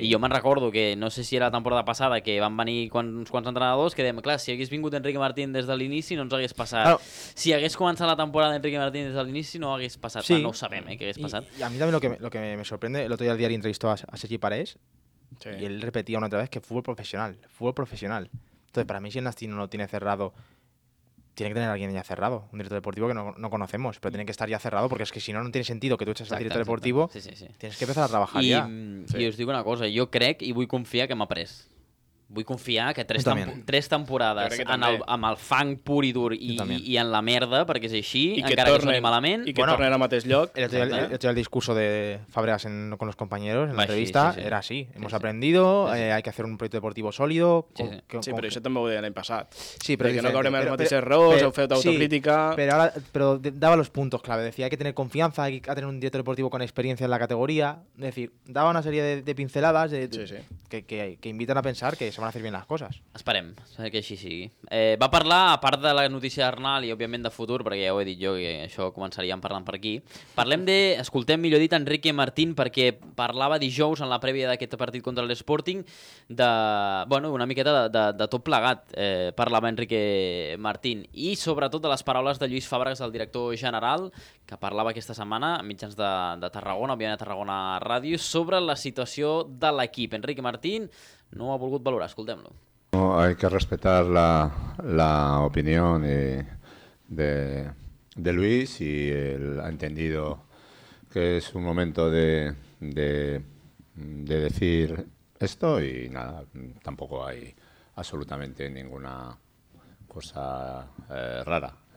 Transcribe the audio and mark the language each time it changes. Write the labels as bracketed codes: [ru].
[ca] I jo me'n recordo que no sé si era la temporada passada, que van venir uns quants entrenadors, que dèiem, clar, si hagués vingut Enrique Martín des de l'inici, no ens hagués passat. Claro. Si hagués començat la temporada d'Enrique Martín des de l'inici, no hagués passat. Sí. Ah, no ho sabem, què hagués passat. I a mi també [es] lo que me sorprende, [ca] l'altre dia el diari entrevistó a Sergi Parés, sí. I ell repetia una altra vegada que futbol professional, futbol professional. [es] Entonces, para mí, si el Nasti no lo tiene cerrado, tiene que tener alguien ya cerrado, un director deportivo que no conocemos, pero tiene que estar ya cerrado, porque es que si no, no tiene sentido que tú eches al director deportivo, sí. Tienes que empezar a trabajar ya. [ca] I us dic una cosa, jo crec i vull confiar que m'ha pres. Vull confiar que tres temporades amb el fang pur i dur i en la merda, perquè és així, encara que soni malament... I que torni al mateix lloc. [es] El discurso de Fàbregas con los compañeros en la entrevista era así. Hemos aprendido, hay que hacer un proyecto deportivo sólido... [ca] Sí, però això també ho deia l'any passat. Sí, però... Que no caurem els mateixos errors, heu fet autocrítica... [es] Però dava los puntos clave. Decía, hay que tener confianza, hay que tener un director deportivo con experiencia en la categoría. Es decir, dava una serie de pinceladas que invitan a pensar que se van a hacer bien las cosas. [ca] Esperem, que així sigui. Va parlar, a part de la notícia d'Arnal i, òbviament, de futur, perquè ja ho he dit jo que això començaríem parlant per aquí, escoltem, millor dit, Enrique Martín, perquè parlava dijous en la prèvia d'aquest partit contra l'Sporting una miqueta de tot plegat, parlava Enrique Martín, i sobretot de les paraules de Lluís Fàbregas, el director general, que parlava aquesta setmana a mitjans de Tarragona, òbviament a Tarragona Ràdio, sobre la situació de l'equip. Enrique Martín no ha volgut valorar, escoltem-lo. No, [es] hay que respetar la opinión de Luis, y él ha entendido que es un momento de decir esto, y nada, tampoco hay absolutamente ninguna cosa rara.